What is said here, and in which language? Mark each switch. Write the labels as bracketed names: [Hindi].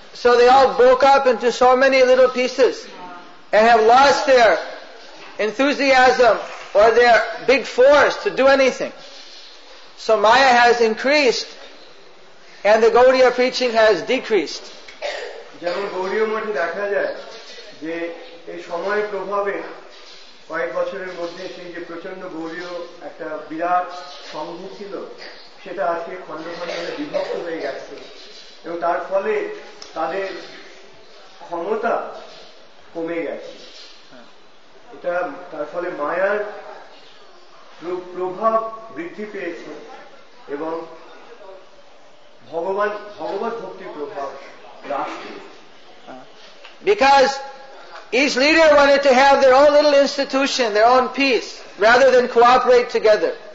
[English] So they all broke up into so many little pieces and have lost their enthusiasm or their big force to do anything. So Maya has increased and the Gaudiya preaching has decreased. [Bangla] যেমন গৌড়ীয় মঠে দেখা যায় যে এই সময়ের প্রভাবে কয়েক বছরের মধ্যে সেই যে প্রচন্ড গৌড়ীয় একটা বিরাট সংঘ ছিল সেটা আজকে খণ্ড খণ্ডে বিভক্ত হয়ে গেছে এবং তার ফলে তাদের ক্ষমতা কমে গেছে। এটা তার ফলে মায়ার প্রভাব বৃদ্ধি পেয়েছে এবং ভগবান ভগবত ভক্তির প্রভাব হ্রাস পেয়েছে। [English] Because Each leader wanted to have their own little institution, their own peace, rather than cooperate together.